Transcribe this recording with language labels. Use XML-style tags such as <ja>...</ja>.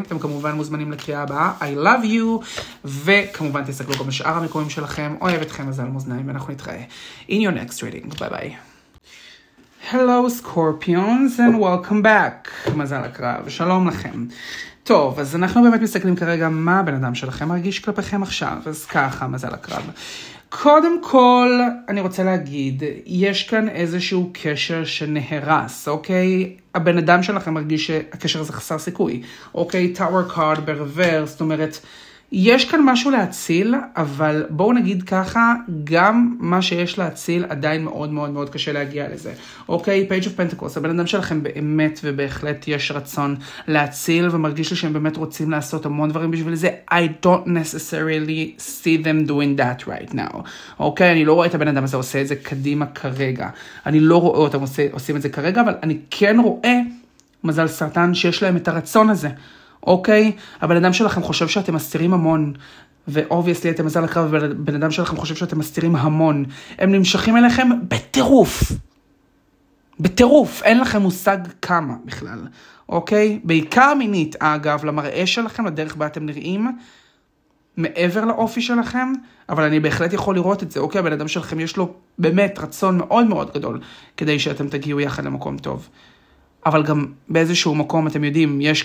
<he>אתם כמובן מוזמנים לקריאה הבאה.</he> <en>I love you.</en> <he>וכמובן תסתכלו גם בשאר המקומים שלכם. אוהב אתכם מזל מוזניים. ואנחנו נתראה.</he> <en>In your next reading. Bye bye. Hello Scorpions and welcome back.</en> <he>מזל הקרב. שלום לכם. טוב, אז אנחנו באמת מסתכלים כרגע מה הבן אדם שלכם מרגיש כלפיכם עכשיו. אז ככה, מזל הקרב. קודם כל, אני רוצה להגיד, יש כאן איזשהו קשר שנהרס, אוקיי? הבן אדם שלכם מרגיש שהקשר הזה חסר סיכוי. אוקיי,</he> <en>טאור קארד ברוורס,</en> <he>זאת אומרת, יש כאן משהו להציל, אבל בואו נגיד ככה, גם מה שיש להציל עדיין מאוד מאוד מאוד קשה להגיע לזה. אוקיי, Page of Pentacles, הבן אדם שלכם באמת ובהחלט יש רצון להציל, ומרגיש לי שהם באמת רוצים לעשות המון דברים בשביל זה.</he> <en>I don't necessarily see them doing that right now.</en> <he>אוקיי, אני לא רואה את הבן אדם הזה עושה את זה קדימה כרגע. אני לא רואה אותם עושים את זה כרגע, אבל אני כן רואה, מזל סרטן, שיש להם את הרצון הזה. אוקיי, הבן אדם שלכם חושב שאתם מסתירים המון, ואובייסלי אתם מזל הקרב, הבן אדם שלכם חושב שאתם מסתירים המון, הם נמשכים אליכם בטירוף, בטירוף, אין לכם מושג כמה בכלל, אוקיי, בעיקר מינית אגב, למראה שלכם, לדרך בה אתם נראים, מעבר לאופי שלכם, אבל אני בהחלט יכול לראות את זה, אוקיי, הבן אדם שלכם יש לו באמת רצון מאוד מאוד גדול, כדי שאתם תגיעו יחד למקום טוב, אבל גם באיזשהו מקום אתם יודעים,</he>